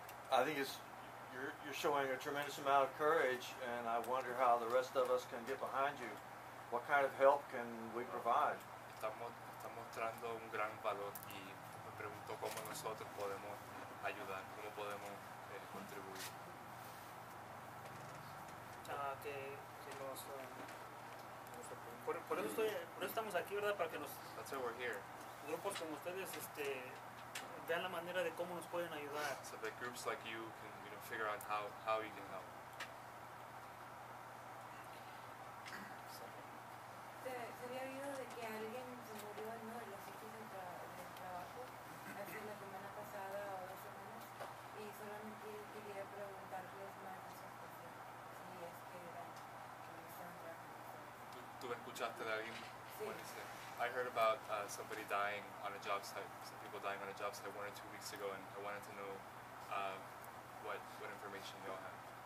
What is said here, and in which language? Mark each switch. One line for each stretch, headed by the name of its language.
English: I think you're showing a tremendous amount of courage, and I wonder how the rest of us can get behind you. What kind of help can we provide?
Spanish: Está mostrando un gran valor, y me pregunto cómo nosotros podemos ayudar, cómo podemos contribuir. Que nos por eso estamos aquí, verdad, para que nos.
English: That's why we're here.
Spanish: Grupos como ustedes, vean la manera de cómo nos pueden ayudar.
English: So that groups like you can, you know, figure out how you can help.
Spanish: Sería bueno de que alguien se murió en uno de los sitios de trabajo hace la semana pasada o dos semanas, y solamente quería preguntarles más de esas cosas, si es que eran que están trabajando. ¿Tú escuchaste de alguien? Sí.
English: I heard about somebody dying on a job site, some people dying on a job site 1 or 2 weeks ago, and I wanted to know what information y'all have.